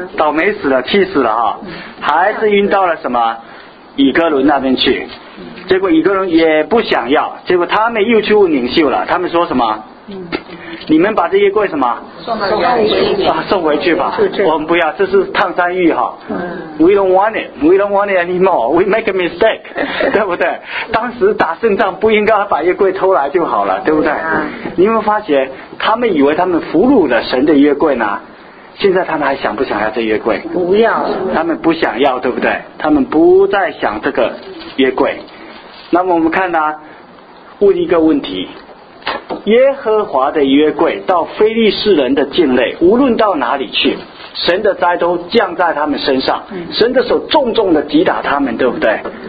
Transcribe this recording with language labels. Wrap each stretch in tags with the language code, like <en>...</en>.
<zh>倒霉死了，气死了哈，还是运到了什么以哥伦那边去。结果以哥伦也不想要，结果他们又去问领袖了，他们说什么？你们把这些柜什么送回去啊？送回去吧，我们不要，这是烫山芋哈。</zh> <en>We don't want it, we don't want it anymore. We make a mistake,</en> <zh>对不对？当时打胜仗不应该把约柜偷来就好了，对不对？你们发觉他们以为他们俘虏了神的约柜呢？现在他们还想不想要这约柜？不要，他们不想要，对不对？他们不再想这个约柜。那么我们看呢，问一个问题。耶和华的约柜到非利士人的境内，无论到哪里去，神的灾都降在他们身上，神的手重重的击打他们，对不对？</zh>